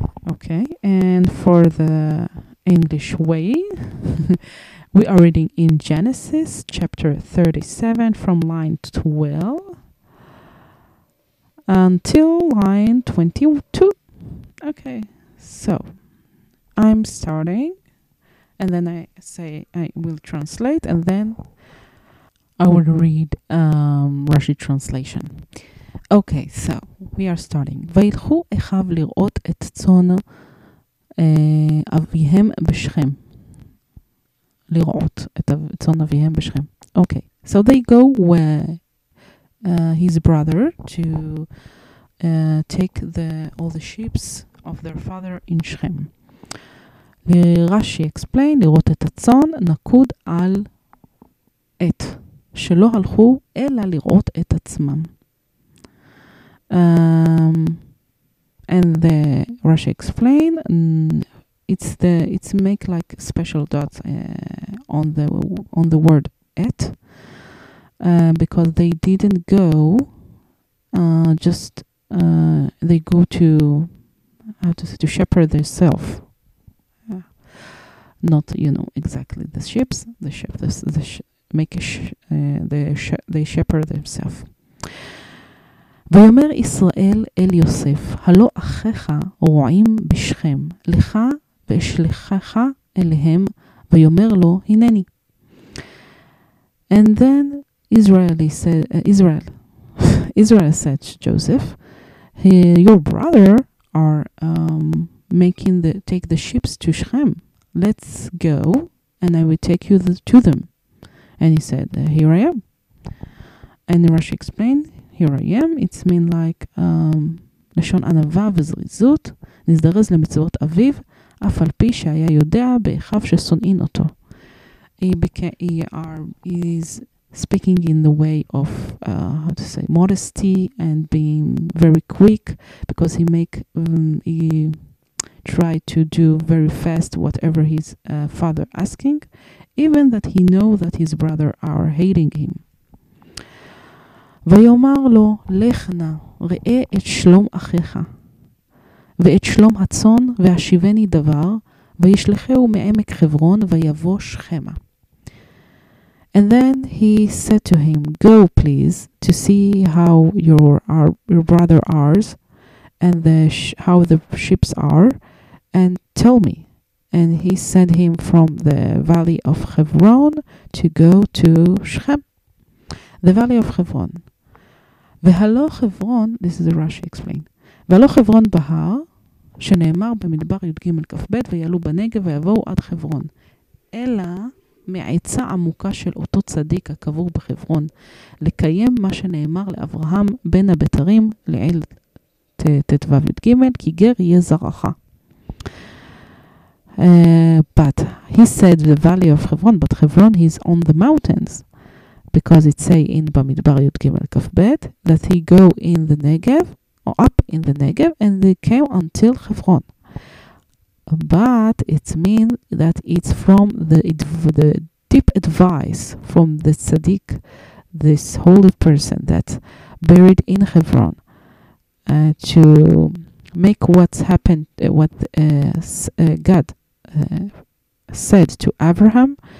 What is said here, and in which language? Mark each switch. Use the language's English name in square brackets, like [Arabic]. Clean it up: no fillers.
[English] Okay, and for the English way, we are reading in Genesis chapter 37 from line 12 until line 22. Okay, so I'm starting and then I will translate and then I will read Rashi translation. Okay, so we are starting. [Hebrew] וילכו אחיו לראות את צאן אביהם בשכם. לראות את צאן אביהם בשכם. [English] Okay, so they go where his brother to take all the sheep of their father in Shechem. [Hebrew] לרשי [English] explain, [Hebrew] לראות את הצאן נקוד על את. שלא הלכו אלא לראות את עצמם. [English] And the Rashi explain it's make like special dots on the word et because they didn't go they go to how to say, to shepherd themselves, not you know exactly they shepherd themselves. [Hebrew] ויאמר ישראל אל יוסף, הלא אחיך רועים בשכם, לך ואשלחך אליהם, ויאמר לו, הנני. [English] And then Israel said to Joseph, your brother are take the sheep to Shechem. Let's go and I will take you to them. And he said, here I am. And Rashi explained, here I am, it's mean like [Hebrew] לשון ענווה וזריזות, נזדרז למצוות אביו, אף על פי שהיה יודע באחיו שסונעין אותו. [English] He is speaking in the way of, modesty and being very quick, because he tried to do very fast whatever his father asking, even that he know that his brother are hating him. [Hebrew] ויאמר לו, לך נא, ראה את שלום אחיך, ואת שלום הצאן, והשיבני דבר, וישלחהו מעמק חברון, ויבוא שכמה. [English] And then he said to him, go please, to see how your brother are, and how the sheep are, and tell me. And he sent him from the valley of Hebron to go to Shechem. The valley of Hebron. [Hebrew] והלא חברון, [English] this is a Rashi explain, [Hebrew] והלא חברון בהר, שנאמר במדבר י' ג' כף ב' ויעלו בנגב ויבואו עד חברון, אלא מעצה עמוקה של אותו צדיק הקבור בחברון, לקיים מה שנאמר לאברהם בין הבתרים, לעיל תתווה י' ג' כי גר יהיה זרחה. [English] But he said the valley of חברון, but חברון is on the mountains. Because it say in Bamidbar Yud Gimel Kaf Bet that he go in the Negev or up in the Negev and they came until Hebron. But it means that it's from the deep advice from the Tzaddik, this holy person that buried in Hebron, to make what's happened, what God said to Abraham.